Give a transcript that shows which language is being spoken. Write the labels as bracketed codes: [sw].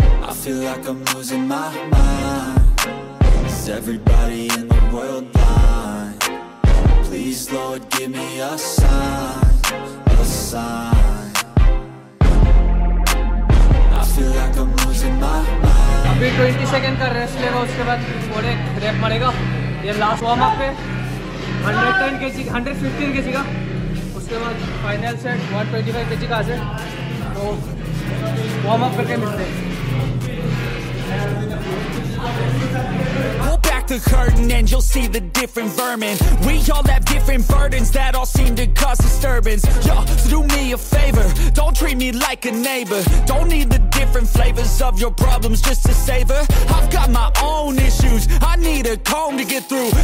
[en] I feel like I'm losing my mind. Is everybody in the world blind? Please, Lord, give me a sign, a sign. I feel like I'm losing my mind. [hi] अभी 20 second का rest लेगा, उसके बाद थोड़े rape मरेगा। ये last warm up है 110 KG 115 KG का, उसके बाद फाइनल सेट 125 केजी का सेट। तो वार्म अप करके मिलते हैं। [en] The curtain and you'll see the different vermin. We all have different burdens that all seem to cause disturbance. Yo, so do me a favor, don't treat me like a neighbor. Don't need the different flavors of your problems just to savor. I've got my own issues, I need a comb to get through.